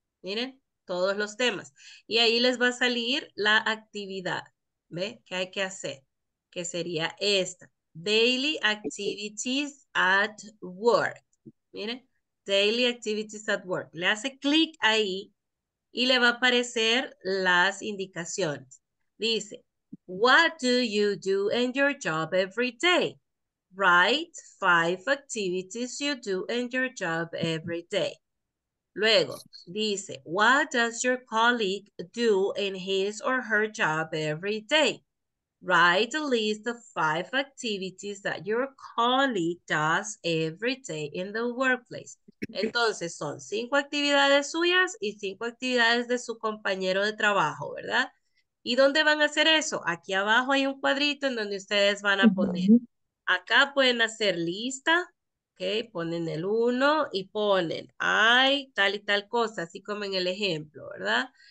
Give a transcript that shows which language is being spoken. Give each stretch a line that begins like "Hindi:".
Spanish: Miren, todos los temas. Y ahí les va a salir la actividad. ¿Ve? ¿Qué hay que hacer? Que sería esta.
English: Daily activities at work.
Spanish: Miren,
English: daily activities at work.
Spanish: Le hace clic ahí y le va a aparecer las indicaciones. Dice,
English: what do you do in your job every day? Write 5 activities you do in your job every day.
Spanish: Luego, dice,
English: what does your colleague do in his or her job every day? Write a list of 5 activities that your colleague does every day in the workplace.
Spanish: Entonces, son 5 actividades suyas y 5 actividades de su compañero de trabajo, ¿verdad? ¿Y dónde van a hacer eso? Aquí abajo hay un cuadrito en donde ustedes van a poner. Acá pueden hacer lista, ¿ok? Ponen el 1 y ponen, hay tal y tal cosa, así como en el ejemplo, ¿verdad?